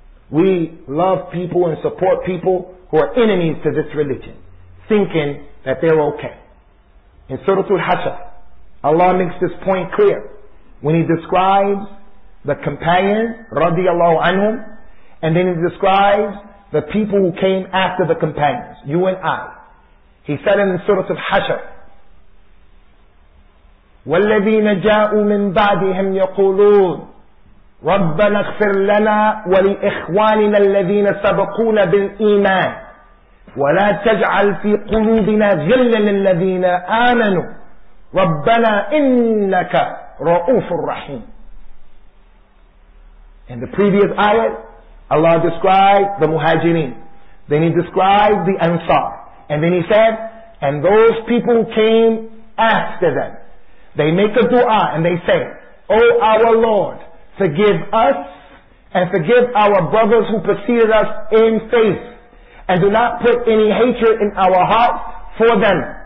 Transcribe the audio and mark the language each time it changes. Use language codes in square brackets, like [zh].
[en] We love people and support people who are enemies to this religion, thinking that they're okay. In Surah Al-Hashr, Allah makes this point clear when He describes the companions, radiallahu anhum, and then He describes the people who came after the companions, you and I. He said in Surah Al-Hashr, [ar] وَالَّذِينَ جَاءُوا مِن بَعْدِهِمْ يَقُولُونَ رَبَّنَا اغْفِرْ لَنَا وَلِإِخْوَانِنَا الَّذِينَ سَبَقُونَا بِالْإِيمَانِ وَلَا تَجْعَلْ فِي قُلُوبِنَا غِلًّا لِلَّذِينَ آمَنُوا رَبَّنَا إِنَّكَ رَؤُوفٌ رَحِيمٌ. [en] In the previous ayat, Allah described the Muhajirin. Then He described the Ansar. And then He said, and those people came after them. They make a dua and they say, O our Lord, forgive us and forgive our brothers who preceded us in faith, and do not put any hatred in our hearts for them.